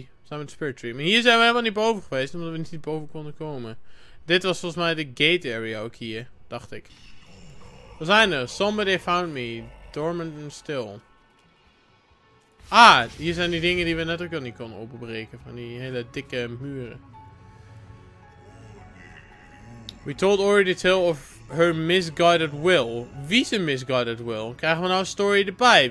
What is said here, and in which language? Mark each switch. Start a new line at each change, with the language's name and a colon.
Dutch: Zijn we bij de spirit tree? Maar hier zijn we helemaal niet boven geweest, omdat we niet boven konden komen. Dit was volgens mij de gate area ook hier, dacht ik. We zijn er.
English: Somebody found me. Dormant and still.
Dutch: Ah, hier zijn die dingen die we net ook al niet konden openbreken. Van die hele dikke muren.
English: We told Ori the tale of her misguided will.
Dutch: Wie is een misguided will? Krijgen we nou een story erbij?